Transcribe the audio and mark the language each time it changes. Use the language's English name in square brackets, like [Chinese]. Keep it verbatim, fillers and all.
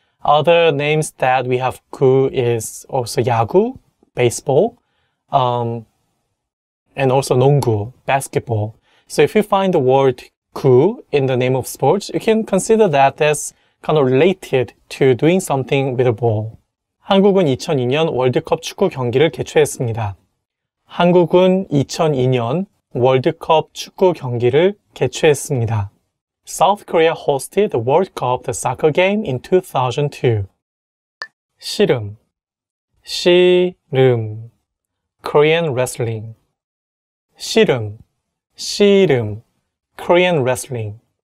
[English] Other names that we have ku is also 야구, baseball, um, and also 농구, basketball. So if you find the word ku in the name of sports, you can consider that as kind of related to doing something with a ball. [Korean] 한국은 이천이 년 월드컵 축구 경기를 개최했습니다. 한국은 이천이 년 월드컵 축구 경기를 개최했습니다. [English] South Korea hosted the World Cup, the soccer game in two thousand two. 씨름, 씨름, Korean wrestling. 씨름, 씨름, Korean wrestling.